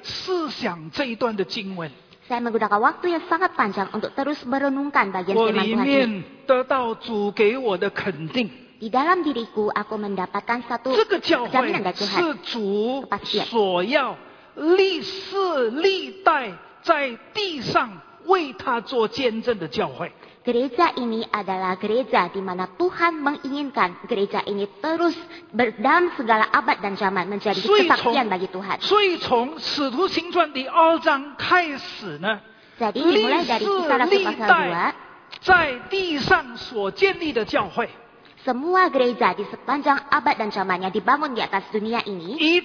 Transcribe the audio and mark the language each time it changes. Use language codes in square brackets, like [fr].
[zh] 我用很长的时间一直在思想这一段的经文。 [id] Saya menggunakan waktu yang sangat panjang untuk terus merenungkan bagian firman Tuhan ini. [zh] 我里面得到主给我的肯定。 [id] Di dalam diriku aku mendapatkan satu jaminan dari Tuhan. [zh] 这个教会是主所要历世历代在地上为他做见证的教会。 [id] Gereja ini adalah gereja di mana Tuhan menginginkan gereja ini terus dalam segala abad dan zaman menjadi kesaksian bagi Tuhan. [zh] 所以从使徒行传第二章开始呢, 所以, 历世历代在地上所建立的教会, [id] semua gereja di sepanjang abad dan zaman yang dibangun di atas dunia ini,